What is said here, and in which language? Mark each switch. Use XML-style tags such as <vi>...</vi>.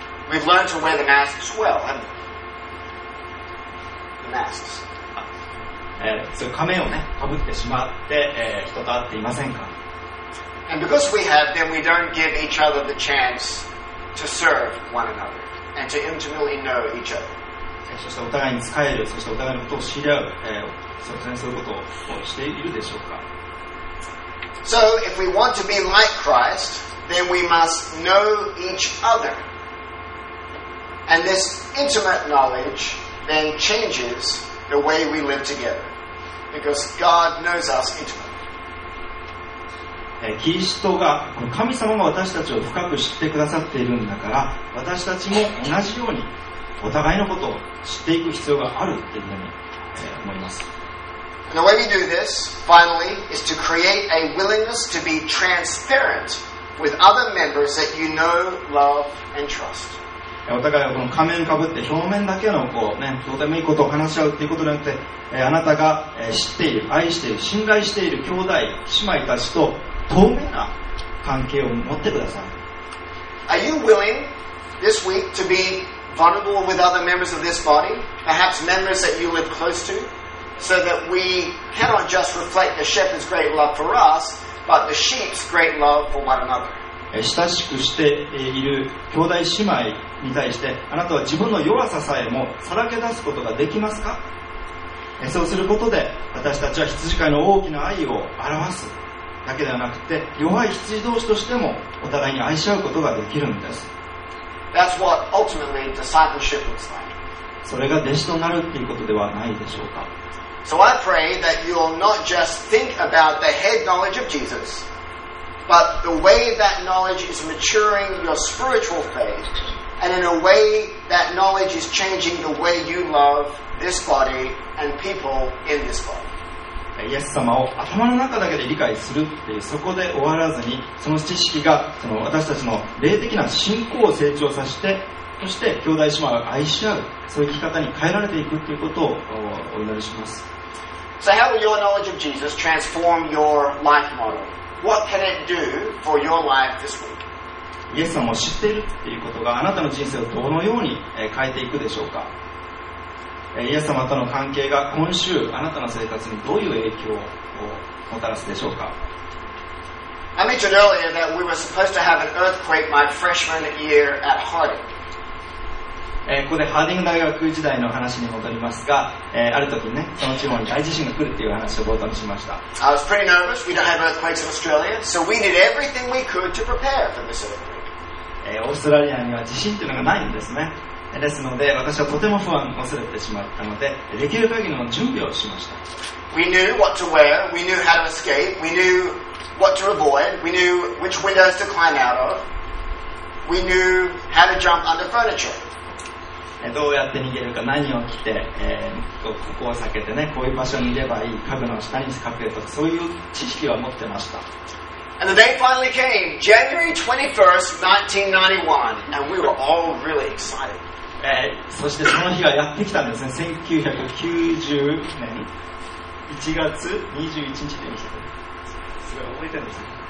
<en>We've learned to wear the masks well, haven't we? The masks、</en> <ja>そういう仮面をね、かぶってしまって、人と会っていませんか。</ja> <en>And because we have, then we don't give each other the chance to serve one another and to intimately know each other.</en> <ja>そしてお互いに仕える、そしてお互いのことを知り合う、そういうことをしているでしょうか。</ja> <en>So if we want to be like Christ, then we must know each other. And this intimate knowledge then changes the way we live together. Because God knows us intimately.</en> <ja>キリストが、この神様が私たちを深く知ってくださっているんだから、私たちも同じようにお互いのことを知っていく必要があるっていうふうに思います。</ja> <en>And the way we do this, finally, is to create a willingness to be transparent with other members that you know, love, and trust.</en> <ja>お互いはこの仮面かぶって表面だけのこうね、どうでもいいことを話し合うっていうことによって、あなたが知っている、愛している、信頼している兄弟、姉妹たちと透明な関係を持ってください。</ja> <en>Are you willing this week to be vulnerable with other members of this body? Perhaps members that you live close to? So that we cannot just reflect the shepherd's great love for us, but the sheep's great love for one another.</en> <ja>親しくしている兄弟姉妹に対して、あなたは自分の弱ささえもさらけ出すことができますか？そうすることで、私たちは羊飼いの大きな愛を表すだけではなくて、弱い羊同士としてもお互いに愛し合うことができるんです。</ja> <en>That's what ultimately discipleship looks like.</en> <ja>それが弟子となるということではないでしょうか。</ja> <en>So I pray that you'll not just think about the head knowledge of Jesus, but the way that knowledge is maturing your spiritual faith, and in a way that knowledge is changing the way you love this body and people in this body.</en> <ja>イエス様を頭の中だけで理解するっていう、そこで終わらずに、その知識がその私たちの霊的な信仰を成長させて、そして兄弟姉妹を愛し合う、そういう生き方に変えられていくということをお祈りします。</ja> <en>So how will your knowledge of Jesus transform your life model? What can it do for your life this week?</en> <ja>イエス様を知っているということがあなたの人生をどのように変えていくでしょうか。イエス様との関係が今週あなたの生活にどういう影響をもたらすでしょうか。</ja> <en>I mentioned earlier that we were supposed to have an earthquake my freshman year at Harding.</en> <ja>ここでハーディング大学時代の話に戻りますが、ある時ね、その地方に大地震が来るっていう話を冒頭にしました。</ja> <en>I was pretty nervous. We don't have earthquakes in Australia, so we did everything we could to prepare for this earthquake.</en> <ja>オーストラリアには地震っていうのがないんですね。ですので私はとても不安を忘れてしまったのでできる限りの準備をしました。</ja> <en>We knew what to wear, we knew how to escape, we knew what to avoid, we knew which windows to climb out of, we knew how to jump under furniture.</en> <ja>どうやって逃げるか、何を着て、ここを避けてね、こういう場所にいればいい、家具の下に隠れとか、そういう知識は持ってました。</ja> <en>And the day finally came, January 21st, 1991, and we were all really excited.</en> <ja>そしてその日がやってきたんですね、1990年1月21日でした。すごい覚えてるんですね。</ja>